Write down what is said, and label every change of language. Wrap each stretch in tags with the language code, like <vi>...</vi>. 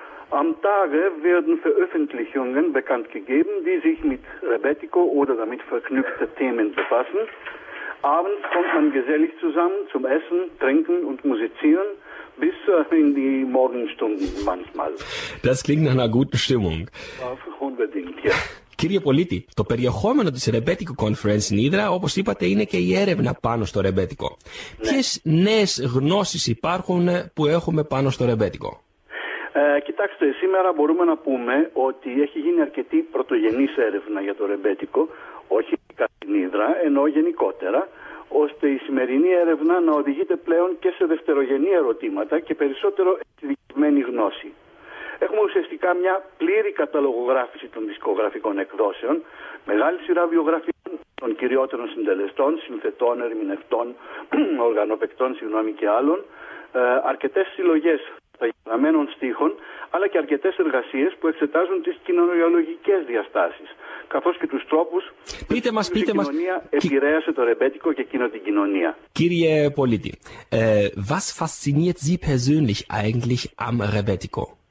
<de>Am Tage werden Veröffentlichungen bekannt gegeben, die sich mit Rebetiko oder damit verknüpfte Themen befassen. Abends kommt man gesellig zusammen zum Essen, Trinken und Musizieren. Bis in die Morgenstunden manchmal. Das klingt nach einer guten Stimmung. Unbedingt, ja.</de> <el>Κύριε Πολίτη, το περιεχόμενο της Rebetiko Conference in Hydra, όπως είπατε, είναι και η έρευνα πάνω στο Rebetiko. Ναι. Ποιες νέες γνώσεις υπάρχουν που έχουμε πάνω στο Rebetiko? Κοιτάξτε, σήμερα μπορούμε να πούμε ότι έχει γίνει αρκετή πρωτογενής έρευνα για το Rebetiko, όχι στην Hydra, ενώ γενικότερα, ώστε η σημερινή έρευνα να οδηγείται πλέον και σε δευτερογενή ερωτήματα και περισσότερο εξειδικευμένη γνώση. Έχουμε ουσιαστικά μια πλήρη καταλογογράφηση των δισκογραφικών εκδόσεων, μεγάλη σειρά βιογραφιών των κυριότερων συντελεστών, συνθετών, ερμηνευτών, οργανοπαικτών, συγγνώμη και άλλων, αρκετές συλλογές παγιωμένων στίχων, αλλά και αρκετές εργασίες που εξετάζουν τις κοινωνιολογικές διαστάσεις, καθώς και τους τρόπους που η κοινωνία επηρέασε το Rebetiko και εκείνο την κοινωνία. Κύριε Πολίτη,</el> <de>was fasziniert Sie persönlich eigentlich am Rebetiko?</de>